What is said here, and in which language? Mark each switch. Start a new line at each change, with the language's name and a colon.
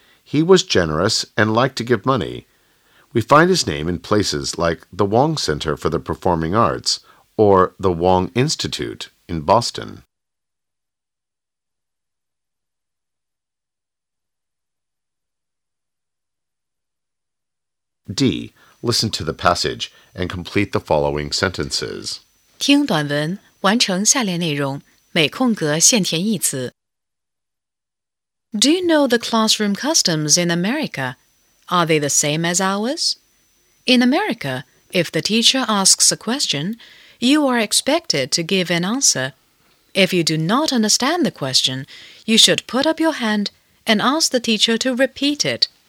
English: He was generous and liked to give money. We find his name in places like the Wang Center for the Performing Arts or the Wang Institute in Boston. D. Listen to the passage and complete the following sentences.
Chinese: 听短文，完成下列内容，每空格限填一词。
English: Do you know the classroom customs in America? Are they the same as ours? In America, if the teacher asks a question, you are expected to give an answer. If you do not understand the question, you should put up your hand and ask the teacher to repeat it.